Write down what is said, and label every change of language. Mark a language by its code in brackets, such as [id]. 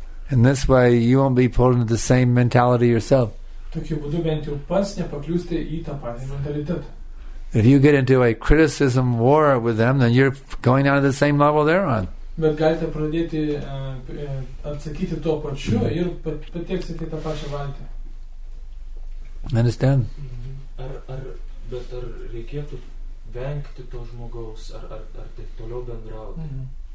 [en] In this way, you won't be pulled into the same mentality yourself. [lt] Tokiu būdu bent jau pats nepakliūsti į tą patį mentalitetą. [en] If you get into a criticism war with them, then you're going down to the same level they're on. [lt] Bet galite pradėti atsakyti tuo pačiu ir pateksite tą pačią valtį. [en] Understand? [lt] Bet ar reikėtų vengti to žmogaus, ar taip toliau bendrauti? Mm-hmm.